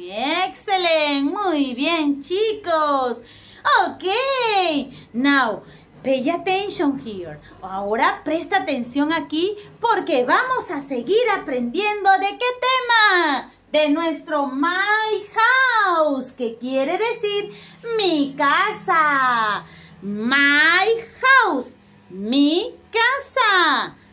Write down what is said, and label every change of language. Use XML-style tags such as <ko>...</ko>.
<es>Excelente, muy bien, chicos.</es> <en>Ok, now pay attention here.</en> <es>Ahora presta atención aquí porque vamos a seguir aprendiendo de qué tema. De nuestro</es> <en>my house,</en> <es>que quiere decir mi casa.</es> <en>My house,</en> <es>mi casa.</es>